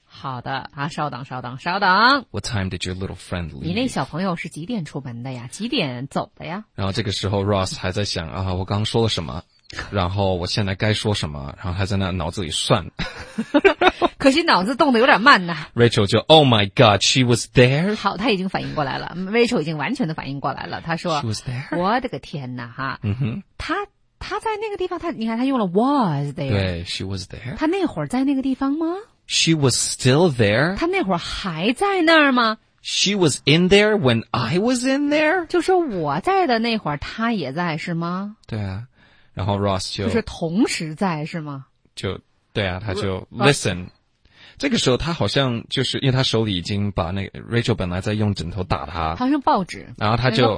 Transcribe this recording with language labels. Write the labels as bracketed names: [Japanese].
[Chinese] 好的啊，稍等。 [English] What time did your little friend leave? [Chinese] 你那小朋友是几点出门的呀？几点走的呀？然后这个时候 Ross 还在想啊，我刚刚说了什么？然后我现在该说什么，然后他在那脑子里算。可惜脑子动得有点慢呢。 [English] Rachel 就 Oh my god, she was there. [Chinese] 好，他已经反应过来了。Rachel 已经完全的反应过来了。他说 [English] She was there. [Chinese] 我的个天哪哈。嗯哼。他在那个地方，他用了 [English] was there. 对 ,she was there. [Chinese] 他那会儿在那个地方吗？ [English] She was still there. [Chinese] 他那会儿还在那儿吗？ [English] She was in there when I was in there. [Chinese] 就是我在的那会儿他也在是吗？对啊。然后 Ross 就是同时在是吗？就对啊，他就 listen。这个时候他好像就是因为他手里已经把那个 Rachel 本来在用枕头打他，好像报纸，然后他就